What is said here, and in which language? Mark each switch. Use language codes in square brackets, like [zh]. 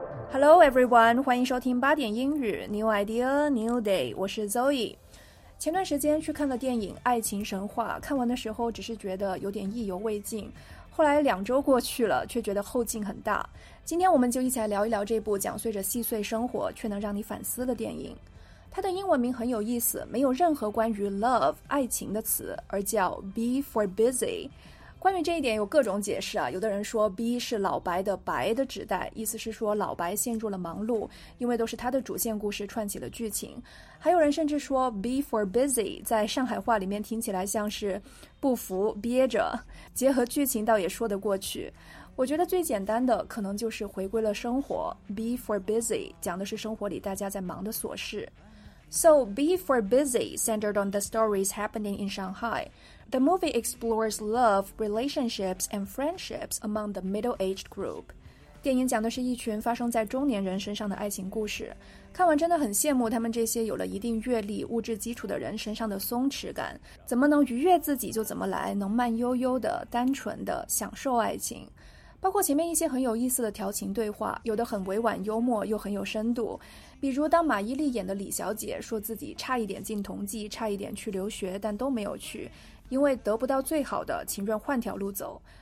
[en] Hello everyone, [zh] 欢迎收听八点英语 [en] New Idea, New Day, [zh] 我是 Zoe。前段时间去看了电影《爱情神话》，看完的时候只是觉得有点意犹未尽，后来两周过去了，却觉得后劲很大。今天我们就一起来聊一聊这部讲述着细碎生活却能让你反思的电影。它的英文名很有意思，没有任何关于 love 爱情的词，而叫 Be for Busy。关于这一点有各种解释啊，有的人说 B 是老白的白的指代，意思是说老白陷入了忙碌，因为都是他的主线故事串起了剧情。还有人甚至说 B for busy 在上海话里面听起来像是不服憋着，结合剧情倒也说得过去。我觉得最简单的可能就是回归了生活， Be for busy 讲的是生活里大家在忙的琐事。 [en] So Be for busy centered on the stories happening in Shanghai. The movie explores love, relationships, and friendships among the middle-aged group. [zh] 电影讲的是一群发生在中年人身上的爱情故事。看完真的很羡慕他们这些有了一定阅历、物质基础的人身上的松弛感。怎么能愉悦自己就怎么来，能慢悠悠的、单纯的享受爱情。包括前面一些很有意思的调情对话，有的很委婉幽默又很有深度，比如当马伊琍演的李小姐说自己差一点进同济，差一点去留学，但都没有去，因为得不到最好的，情愿换条路走。